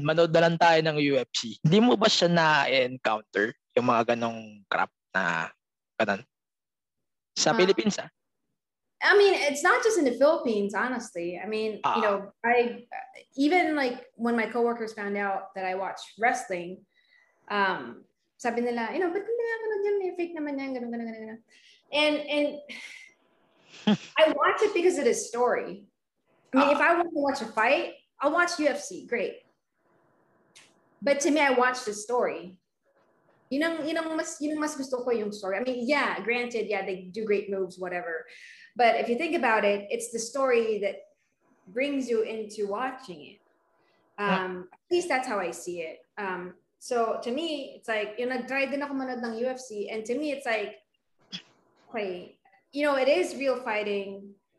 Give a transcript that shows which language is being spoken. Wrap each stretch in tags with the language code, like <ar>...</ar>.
<tl>Manood na lang tayo ng UFC. Hindi mo ba siya na encounter yung mga ganong crap na ganun? Sa Philippines ah.</tl> <en>I mean, it's not just in the Philippines, honestly. I mean, you know, I even like when my coworkers found out that I watch wrestling,</en> <tl>sabi nila,</tl> <en>you know,</en> <tl>ba't hindi nga manood yan? May fake naman yan, ganun, ganun, ganun.</tl> <en>And I watch it because of the story. I mean, if I want to watch a fight, I'll watch UFC, great. But to me, I watch the story.</en> <tl>Yun ang mas gusto ko yung story.</tl> <en>I mean, yeah, granted, yeah, they do great moves, whatever. But if you think about it, it's the story that brings you into watching it. At least that's how I see it. So to me, it's like, you know,</en> <tl>nag-try din ako manood ng UFC.</tl> <en>And to me, it's like, okay, you know, it is real fighting.</en>